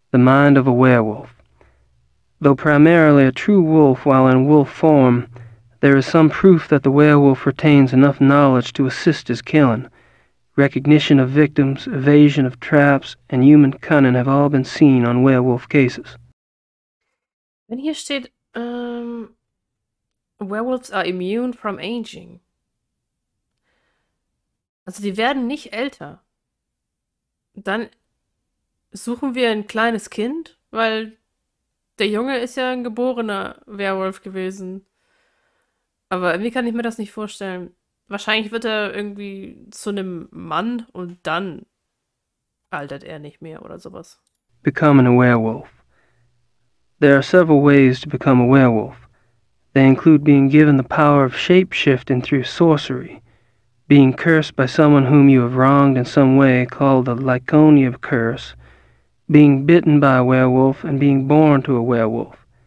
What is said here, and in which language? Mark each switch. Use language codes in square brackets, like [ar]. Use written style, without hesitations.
[en] The mind of a werewolf. Though primarily a true wolf while in wolf form, there is some proof that the werewolf retains enough knowledge to assist his killing. Recognition of victims, evasion of traps, and human cunning have all been seen on werewolf cases. Then here [de] steht, [en] werewolves are immune from aging. [de] Also die werden nicht älter. Dann suchen wir ein kleines Kind, weil der Junge ist ja ein geborener Werwolf gewesen. Aber irgendwie kann ich mir das nicht vorstellen. Wahrscheinlich wird er irgendwie zu einem Mann und dann altert er nicht mehr oder sowas. [en] Becoming a werewolf. There are several ways to become a werewolf. They include being given the power of shape-shifting through sorcery, being cursed by someone whom you have wronged in some way, called the Lyconia curse, being bitten by a werewolf, and being born to a werewolf.